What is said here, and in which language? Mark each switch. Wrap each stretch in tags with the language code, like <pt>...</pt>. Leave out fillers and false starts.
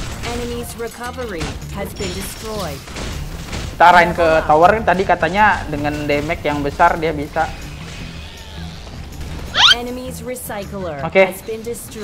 <en>Enemy's recovery has been destroyed.</en> <id>Kita arahin ke tower tadi katanya dengan damage yang besar dia bisa.</id> <en>Enemy's recycler has been destroyed.</en>